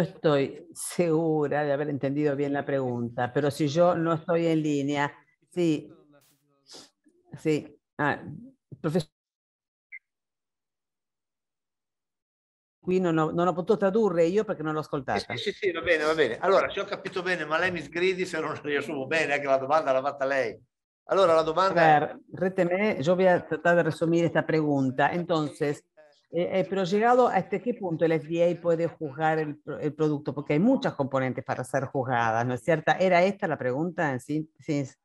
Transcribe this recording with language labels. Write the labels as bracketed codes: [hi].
[es] estoy segura de haber entendido bien la pregunta, pero si yo no estoy en línea, sí, sí, ah, profesor, qui no lo puedo traducir yo porque no lo ascoltaste. Sí, sí, sí, [it] va bene, va bene. Allora, si ho capito bene, ma lei mi sgridi se non riassumo bene, anche la domanda l'ha fatta lei. Allora, la domanda. [es] A ver, reteme, yo voy a tratar de resumir esta pregunta. Entonces. Pero llegado a este, ¿qué punto el FDA puede juzgar el producto? Porque hay muchas componentes para ser juzgadas, ¿no es cierto? ¿Era esta la pregunta? Sí, sí.